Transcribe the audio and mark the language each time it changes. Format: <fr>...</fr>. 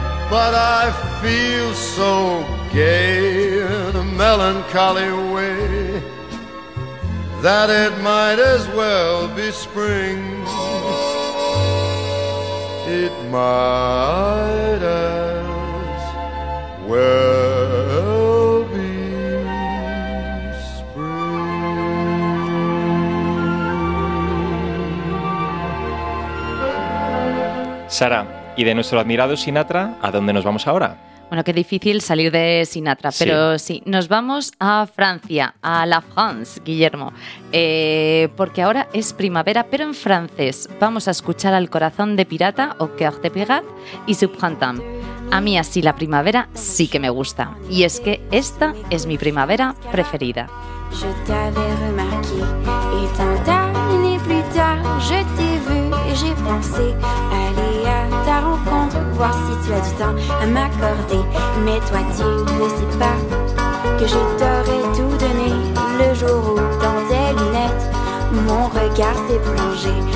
<en>But I feel so gay in a melancholy way that it might as well be spring. It might as well be spring.</en> <es>Sara, ¿y de nuestro admirado Sinatra, a dónde nos vamos ahora? Bueno, qué difícil salir de Sinatra, pero sí, nos vamos a Francia,</es> <fr>a la France,</fr> <es>Guillermo, porque ahora es primavera, pero en francés. Vamos a escuchar al corazón de pirata, o cœur de pirate, y su printemps. A mí así la primavera sí que me gusta, y es que esta es mi primavera preferida.</es> <fr>Je t'avais remarqué, et tant d'années plus tard, je t'ai vu et j'ai pensé à ta rencontre, voir si tu as du temps à m'accorder. Mais toi tu ne sais pas que je t'aurais tout donné le jour où dans tes lunettes mon regard s'est plongé.</fr>